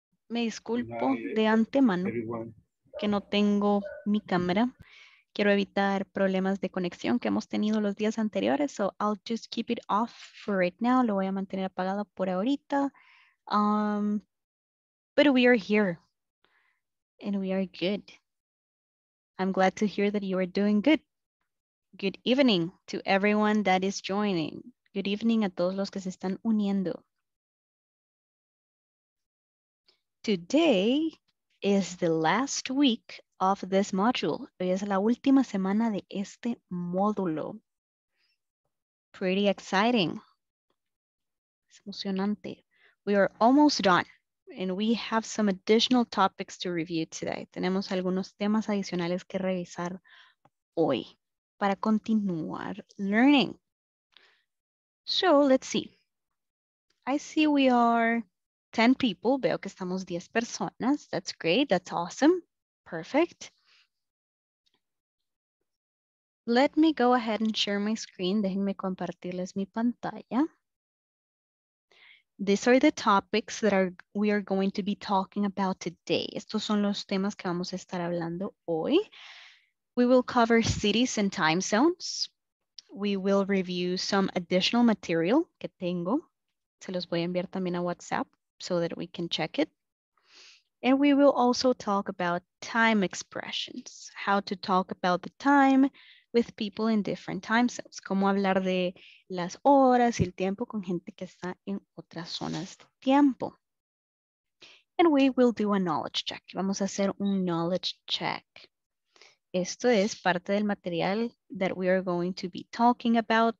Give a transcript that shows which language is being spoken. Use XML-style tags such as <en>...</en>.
<es>Me disculpo de antemano que no tengo mi cámara. Quiero evitar problemas de conexión que hemos tenido los días anteriores,</es> <en>so I'll just keep it off for right now.</en> <es>Lo voy a mantener apagado por ahorita.</es> <en>But we are here and we are good. I'm glad to hear that you are doing good. Good evening to everyone that is joining. Good evening</en> <es>a todos los que se están uniendo.</es> <en>Today is the last week of this module.</en> <es>Hoy es la última semana de este módulo.</es> <en>Pretty exciting.</en> <es>Es emocionante.</es> <en>We are almost done and we have some additional topics to review today.</en> <es>Tenemos algunos temas adicionales que revisar hoy para continuar learning.</es> <en>So let's see. I see we are 10 people.</en> <es>Veo que estamos 10 personas.</es> <en>That's great. That's awesome. Perfect. Let me go ahead and share my screen.</en> <es>Déjenme compartirles mi pantalla.</es> <en>These are the topics that we are going to be talking about today.</en> <es>Estos son los temas que vamos a estar hablando hoy.</es> <en>We will cover cities and time zones. We will review some additional material</en> <es>que tengo. Se los voy a enviar también a WhatsApp</es> <en>so that we can check it. And we will also talk about time expressions, how to talk about the time with people in different time zones.</en> <es>Cómo hablar de las horas y el tiempo con gente que está en otras zonas de tiempo.</es> <en>And we will do a knowledge check.</en> <es>Vamos a hacer un</es> <en>knowledge check.</en> <es>Esto es parte del material</es> <en>that we are going to be talking about.</en>